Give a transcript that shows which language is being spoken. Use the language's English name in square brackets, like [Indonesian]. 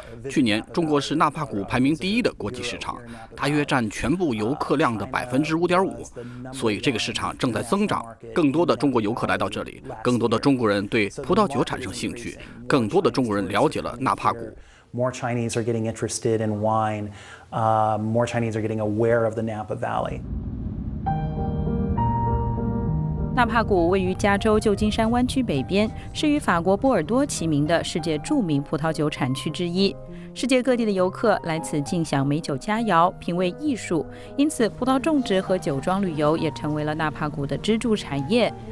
[Chinese] 去年，中国是纳帕谷排名第一的国际市场，大约占全部游客量的5%。所以，这个市场正在增长，更多的中国游客来到这里，更多的中国人对葡萄酒产生兴趣，更多的中国人了解了纳帕谷。 [English] More Chinese are getting interested in wine. More Chinese are getting aware of the Napa Valley. [Chinese] 纳帕谷位于加州旧金山湾区北边，是与法国波尔多齐名的世界著名葡萄酒产区之一。世界各地的游客来此尽享美酒佳肴，品味艺术，因此葡萄种植和酒庄旅游也成为了纳帕谷的支柱产业。